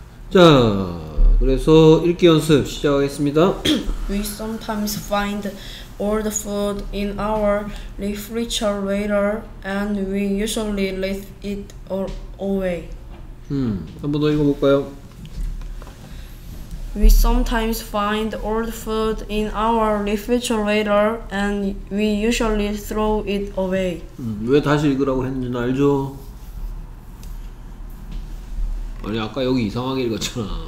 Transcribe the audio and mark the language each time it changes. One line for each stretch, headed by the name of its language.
Korean: 자, 그래서 읽기 연습 시작하겠습니다.
English: We sometimes find old food in our refrigerator and we usually let it away.
Korean: 한번 더 읽어볼까요?
English: We sometimes find old food in our refrigerator and we usually throw it away.
Korean: 왜 다시 읽으라고 했는지 알죠? 아니 아까 여기 이상하게 읽었잖아.